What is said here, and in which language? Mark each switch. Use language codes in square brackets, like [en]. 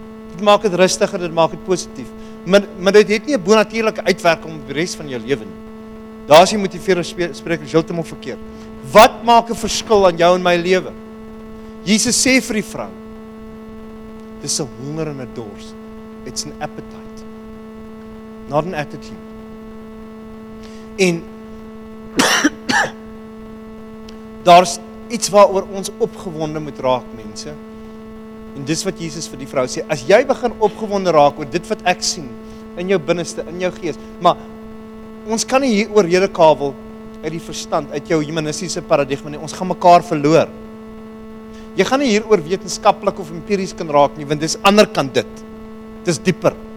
[af] Dit maak dit rustiger, dit maak dit positief. Maar dit het nie 'n bonatuurlike uitwerking op die res van jou lewe nie. Daar is jy motiveringssprekers heeltemal verkeerd. Wat maak 'n verskil aan jou en my lewe? Jesus sê vir die vrou, dis 'n honger en 'n dors. [en] It's an appetite, not an attitude. [af] En daar's iets waaroor ons opgewonde moet raak, mense. En dis wat Jesus vir die vrou sê, as jy begin opgewonde raak oor dit wat ek sien in jou binneste, in jou gees, maar ons kan nie hier oor rede kabel uit die verstand, uit jou humanistiese paradigma nie. Ons gaan mekaar verloor. Jy gaan nie hieroor wetenskaplik of empiries kan raak nie, want dis ander kant dit. Dis dieper.